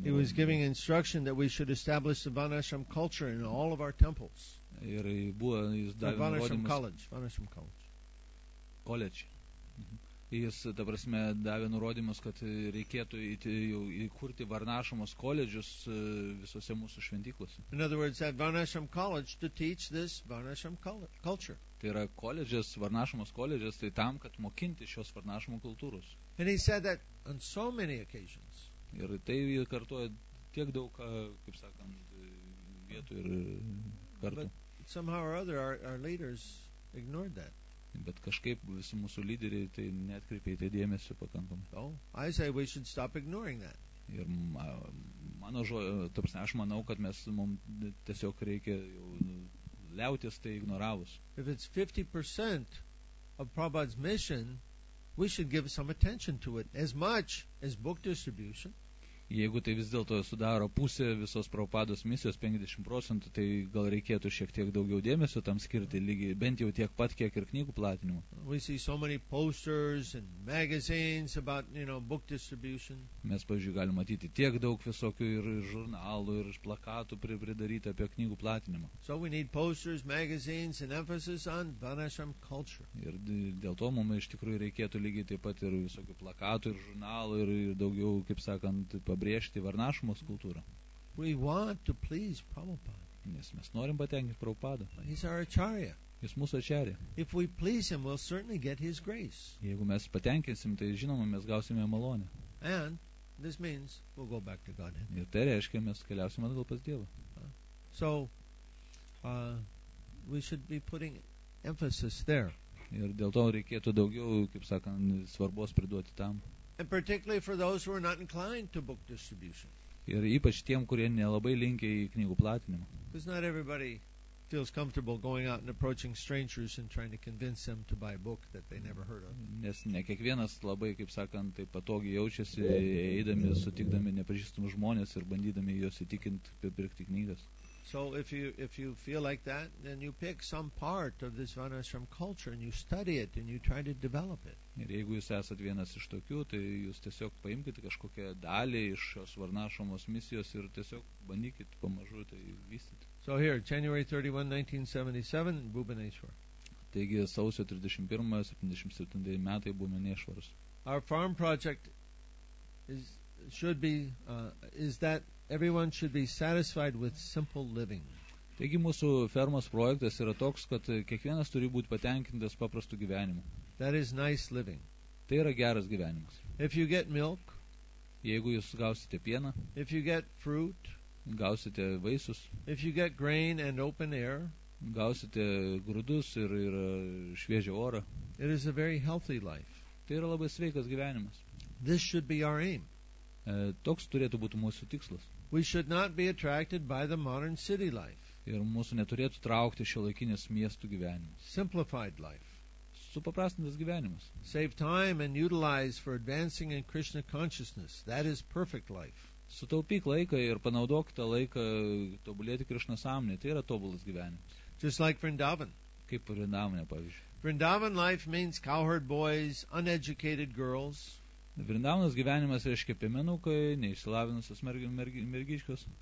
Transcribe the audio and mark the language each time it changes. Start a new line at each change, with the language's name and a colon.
English: He was giving instruction that we should establish the Varnashram culture in all of our temples.
Lithuanian: Ir buvo, jis davė nurodymus.
English: Varnashram College. College.
Lithuanian: Jis, ta prasme, davė nurodymus, kad reikėtų įkurti Varnashramos koledžius visose mūsų šventyklose.
English: In other words, at Varnashram College to teach this Varnashram culture.
Lithuanian: Tai yra koledžis, Varnashramos koledžis, tai tam, kad mokinti šios Varnashramo kultūros.
English: And he said that on so many occasions.
Lithuanian: Ir tai kartuoja tiek daug, kaip sakant, vietų ir kartų.
English: But somehow or other our leaders ignored that.
Lithuanian: Bet kažkaip visi mūsų lyderiai tai neatkreipė į tai dėmesį pakankamai.
English: Oh, I say we should stop ignoring that.
Lithuanian: Ir mano žodžiu, aš manau, kad mes mums tiesiog reikia jau liautis tai ignoravus.
English: If it's 50% of Prabhupada's mission, we should give some attention to it as much as book distribution.
Lithuanian: Jeigu tai vis dėlto sudaro pusę visos Prabhupados misijos, 50%, tai gal reikėtų šiek tiek daugiau dėmesio tam skirti, lygiai bent jau tiek pat, kiek ir knygų platinimo.
English: We see so many posters and magazines about, you know, book distribution.
Lithuanian: Mes, pavyzdžiui, galime matyti tiek daug visokių ir žurnalų ir plakatų pridaryti apie knygų platinimą.
English: So we need posters, magazines and emphasis on Varnashram culture.
Lithuanian: Ir dėl to mums iš tikrųjų reikėtų lygiai taip pat ir visokių plakatų ir žurnalų ir daugiau, kaip sakant, pabrėžti Varnashramos kultūrą.
English: We want to please Prabhupada.
Lithuanian: Nes mes norim patenkinti Prabhupadą.
English: He's our acharya.
Lithuanian: Jis mūsų acharya.
English: If we please him, we'll certainly get his grace.
Lithuanian: Jeigu mes patenkinsim, tai žinoma, mes gausime malonę.
English: And this means we'll go back to Godhead.
Lithuanian: Ir tai reiškia, mes keliausime atgal pas Dievą.
English: So, we should be putting emphasis there.
Lithuanian: Ir dėl to reikėtų daugiau, kaip sakant, svarbos priduoti tam.
English: And particularly for those who are not inclined to book distribution.
Lithuanian: Ir ypač tiem, kurie nelabai linkia į knygų platinimą.
English: Because not everybody feels comfortable going out and approaching strangers and trying to convince them to buy a book that they never heard of.
Lithuanian: Nes ne kiekvienas labai, kaip sakant, taip patogiai jaučiasi, eidami, sutikdami nepažįstamus žmonės ir bandydami juos įtikinti pirkti knygas.
English: So if you feel like that, then you pick some part of this Varnashram culture and you study it and you try to develop it.
Lithuanian: Ir jeigu jūs esat vienas iš tokių, tai jūs tiesiog paimkite kažkokią dalį iš šios Varnashramos misijos ir tiesiog bandykit pamažu tai vystyti.
English: So here, January 31, 1977, Bhubaneswar.
Lithuanian: Taigi, sausio 31, 77 metai, Bhubaneswaras.
English: Our farm project is that everyone should be satisfied with simple living.
Lithuanian: Taigi mūsų fermos projektas yra toks, kad kiekvienas turi būti patenkintas paprastu gyvenimu.
English: That is nice living.
Lithuanian: Tai yra geras gyvenimas.
English: If you get milk,
Lithuanian: jeigu jūs gausite pieną,
English: if you get fruit,
Lithuanian: gausite vaisius,
English: if you get grain and open air,
Lithuanian: gausite grūdus ir šviežią orą,
English: it is a very healthy life.
Lithuanian: Tai yra labai sveikas gyvenimas.
English: This should be our aim.
Lithuanian: Toks turėtų būti mūsų tikslas.
English: We should not be attracted by the modern city life.
Lithuanian: Ir mūsų neturėtų traukti šiuolaikinis miestų gyvenimas.
English: Simplified life.
Lithuanian: Supaprastintas gyvenimas.
English: Save time and utilize for advancing in Krishna consciousness. That is perfect life.
Lithuanian: Sutaupyk laiką ir panaudok tą laiką tobulėti Krishna sąmonėje. Tai yra tobulas gyvenimas.
English: Just like Vrindavan.
Lithuanian: Kaip Vrindavane, pavyzdžiui.
English: Vrindavan life means cowherd boys, uneducated girls.
Lithuanian: Vrindavanas gyvenimas reiškia piemenukai, neišsilavinusios mergiškos.